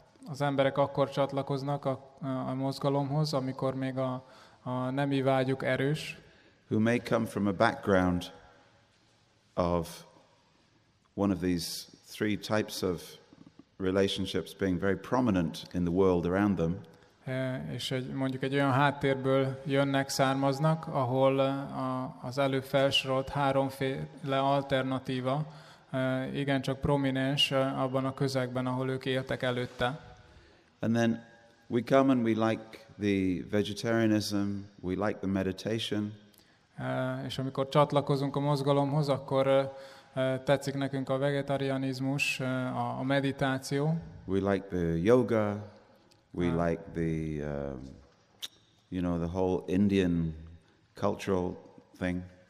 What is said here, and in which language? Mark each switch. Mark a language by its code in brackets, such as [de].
[hu] Az emberek akkor csatlakoznak a mozgalomhoz, amikor még a nemi vágyuk erős. [en] Who may come from a background of one of these three types of relationships being very prominent in the world around them. [hu] És mondjuk egy olyan háttérből jönnek, származnak, ahol az előbb felsorolt háromféle alternatíva igencsak prominens abban a közegben, ahol ők éltek előtte. [en] And then we come and we like the vegetarianism, we like the meditation. [hu] És amikor csatlakozunk a mozgalomhoz, akkor tetszik nekünk a vegetarianizmus, a meditáció. [en] We like the yoga. We like the the whole Indian cultural thing.